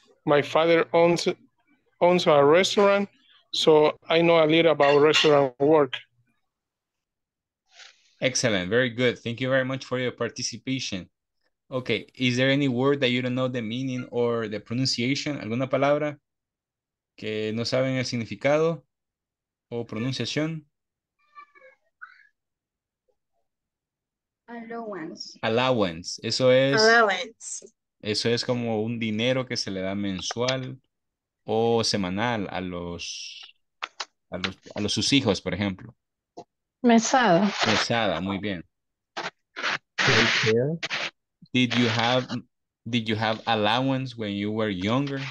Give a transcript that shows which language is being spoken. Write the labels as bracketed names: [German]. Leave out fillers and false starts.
[English] My father owns a restaurant, so I know a little about restaurant work. Excellent. Very good. Thank you very much for your participation. Okay. Is there any word that you don't know the meaning or the pronunciation? [Spanish] ¿Alguna palabra que no saben el significado o pronunciación? [English] Allowance. [Spanish] Eso es. [English] Allowance. [Spanish] Eso es como un dinero que se le da mensual o semanal a los sus hijos, por ejemplo. Mesada. Mesada, muy bien. [English] Take care. Did you have allowance when you were younger?